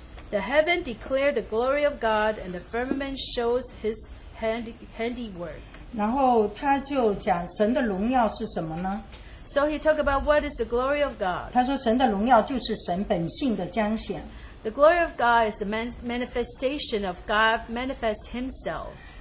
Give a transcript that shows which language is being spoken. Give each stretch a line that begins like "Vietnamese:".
English: The heaven declared the glory of God, and the firmament shows his handiwork.
Chinese: 然后他就讲神的荣耀是什么呢?
English: So he talked about what is the glory of God.
Chinese: 他说神的荣耀就是神本性的彰显。
English: The glory of God is the manifestation of God manifest himself.